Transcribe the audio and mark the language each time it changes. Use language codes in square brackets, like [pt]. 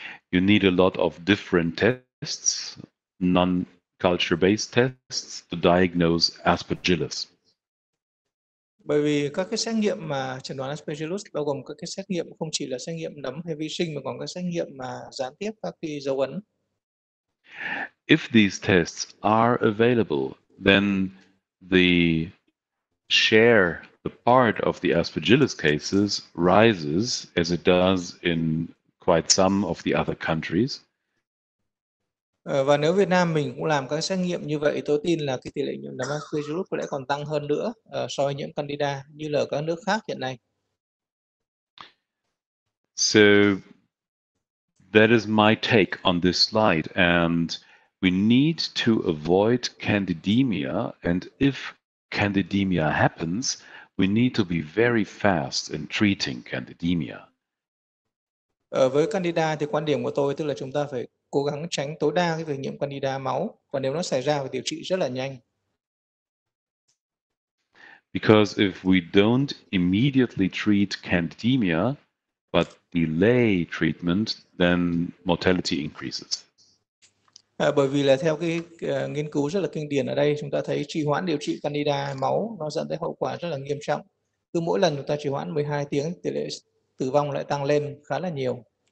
[en] You need a lot of different tests, non-culture based tests to diagnose aspergillus. [vi] Bởi vì các cái xét nghiệm mà chẩn đoán aspergillus bao gồm các cái xét nghiệm không chỉ là xét nghiệm nấm hay vi sinh mà còn các xét nghiệm mà gián tiếp các cái dấu ấn. [en] If these tests are available, then the share, the part of the aspergillus cases rises as it does in quite some of the other countries. [vi] Và nếu Việt Nam mình cũng làm các xét nghiệm như vậy, tôi tin là cái tỷ lệ nhiễm nấm aspergillus có lẽ còn tăng hơn nữa so với nhiễm candida như là ở các nước khác hiện nay. [en] So that is my take on this slide, and we need to avoid candidemia, and if candidemia happens, we need to be very fast in treating candidemia. [vi] Với candida thì quan điểm của tôi tức là chúng ta phải cố gắng tránh tối đa cái việc nhiễm candida máu, và nếu nó xảy ra thì điều trị rất là nhanh. [en] Because if we don't immediately treat candidemia but delay treatment, then mortality increases. [vi] Bởi vì là theo cái nghiên cứu rất là kinh điển ở đây, chúng ta thấy trì hoãn điều trị candida máu nó dẫn tới hậu quả rất là nghiêm trọng. Cứ mỗi lần chúng ta trì hoãn 12 tiếng, tỷ lệ tử vong lại tăng lên khá là nhiều.